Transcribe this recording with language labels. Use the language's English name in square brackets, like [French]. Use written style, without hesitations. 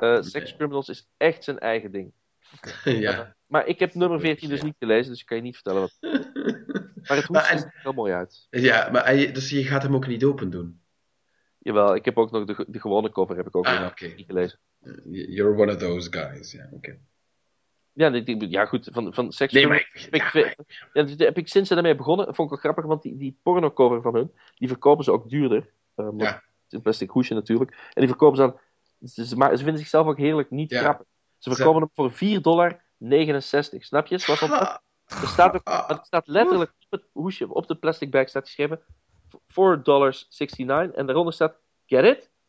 [Dutch] Sex Criminals is echt zijn eigen ding. Ja. Maar ik heb nummer 14 dus niet gelezen, dus ik kan je niet vertellen wat. Maar het hoeft er heel mooi uit. Ja, maar dus je gaat hem ook niet open doen? Jawel, ik heb ook nog de gewone cover heb ik ook niet gelezen. [English] You're one of those guys, [Dutch] ja, oké. Ja, goed, van Sex Criminals heb ik sinds ze daarmee begonnen, vond ik wel grappig, want die pornocover van hun, die verkopen ze ook duurder. Het is een plastic hoesje natuurlijk. En die verkopen ze dan, ze vinden zichzelf ook heerlijk niet grappig. Ze verkopen hem voor $4.69, snap je? Zoals het staat letterlijk op het hoesje, op de plastic bag staat geschreven, $4.69, en daaronder staat, [English] get it?